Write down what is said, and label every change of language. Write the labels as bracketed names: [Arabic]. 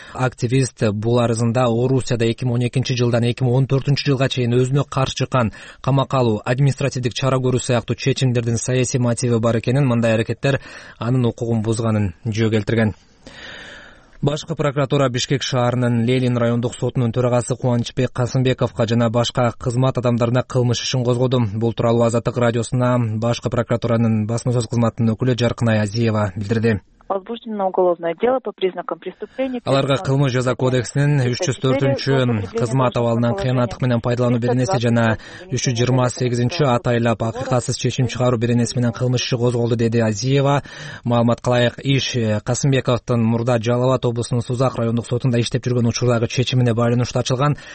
[Kyrgyz] Активист бул арызында Орусияда 2012 жылдан 2014 жылга чейин өзүнө каршы чыккан камакка алуу, административдик чара көрүү сыяктуу чечимдердин саясий мотиви бар экенин, мындай аракеттер анын укугун бузганын жөө келтирген. Башкы прокуратура Бишкек шаарынын Лелин райондук сотунун төрагасы Кубанычбек Касымбековго жана башка кызмат адамдарына кылмыш ишин козгоду. Бул тууралуу Азаттык радиосуна башкы прокуратуранын басма сөз кызматынын өкүлү Жаркынай Азиева билдирди. [Russian] Возбуждено уголовное дело по признакам преступления. [Kyrgyz] Аларга кылмыш жаза кодексинин 304-чү кызмат абалынан кыянаттык менен пайдалануу беренеси жана 328-чү атайлап акыйкатсыз чечим чыгаруу беренеси менен кылмыш иши козголду, деди Азиева. Маалымат кылайык, иш Касымбековдун мурда Жалал абад облусунун Сузак райондук сотунда иштеп жүргөн учурдагы чечимине байланыштуу ачылган.